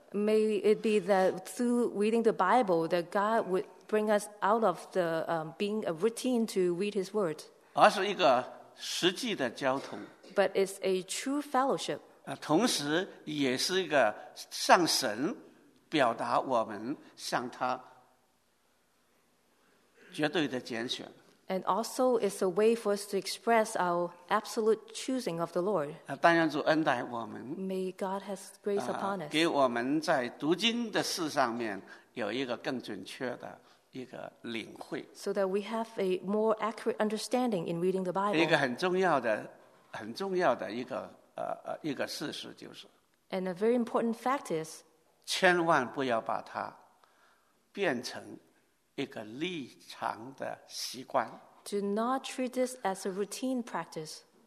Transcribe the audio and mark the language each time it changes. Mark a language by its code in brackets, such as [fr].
[en] May it be that through reading the Bible that God would bring us out of the being a routine to read His word. [zh] 而是一个实际的交通。 [en] But it's a true fellowship. [zh] 同时也是一个向神表达我们向他 [en] And also, it's a way for us to express our absolute choosing of the Lord. [zh] 但愿主恩待我们, [en] May God have grace upon us. [zh] 给我们在读经的事上面有一个更准确的一个领会。 [en] So that we have a more accurate understanding in reading the Bible. [zh] 一个很重要的事实就是。 [en] And a very important fact is. [zh] 千万不要把它变成 一个立场的习惯, [en] Do not treat this as a routine practice.